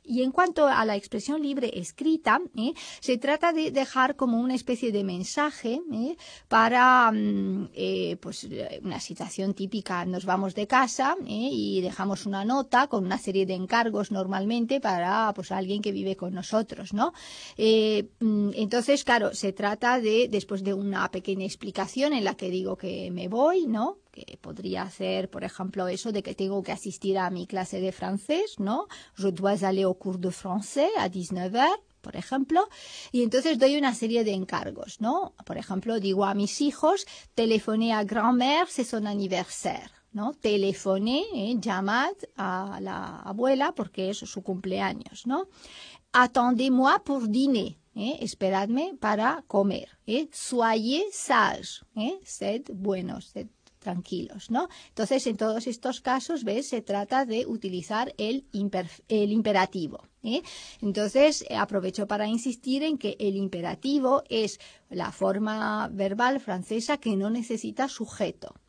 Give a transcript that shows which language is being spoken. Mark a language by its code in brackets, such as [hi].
[es] Y en cuanto a la expresión libre escrita, se trata de dejar como una especie de mensaje para pues una situación típica: nos vamos de casa y dejamos una nota con una serie de encargos normalmente para pues alguien que vive con nosotros, ¿no? Entonces, claro, se trata de, después de una pequeña explicación en la que digo que me voy, ¿no? Que podría hacer, por ejemplo, eso de que tengo que asistir a mi clase de francés, ¿no? [fr] Je dois aller au cours de français à 19h, [es] por ejemplo. Y entonces doy una serie de encargos, ¿no? Por ejemplo, digo a mis hijos, [fr] telefoné a grand-mère, c'est son anniversaire, [es] ¿no? Telefoné, llamad a la abuela porque es su cumpleaños, ¿no? [fr] Attendez-moi pour dîner. [es] Esperadme para comer. [fr] Soyez sages. [es] Sed buenos, sed tranquilos, ¿no? Entonces, en todos estos casos, ¿ves? Se trata de utilizar el imperativo. Entonces, aprovecho para insistir en que el imperativo es la forma verbal francesa que no necesita sujeto.